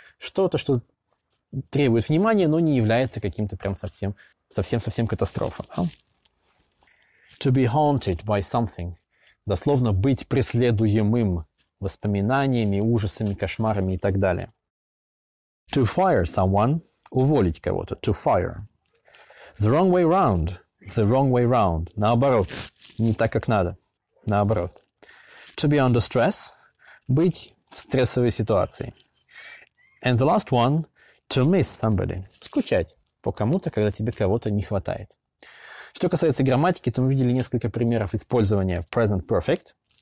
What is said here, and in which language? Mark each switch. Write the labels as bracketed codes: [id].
[ru] Что-то, что требует внимания, но не является каким-то прям совсем катастрофой. Да? [en] To be haunted by something. [ru] Дословно быть преследуемым воспоминаниями, ужасами, кошмарами и так далее. [en] To fire someone – [ru] уволить кого-то. [en] To fire. The wrong way round – the wrong way round. [ru] Наоборот, не так, как надо. Наоборот. [en] To be under stress [ru] – быть в стрессовой ситуации. [en] And the last one – to miss somebody – [ru] скучать по кому-то, когда тебе кого-то не хватает. Что касается грамматики, то мы видели несколько примеров использования present perfect.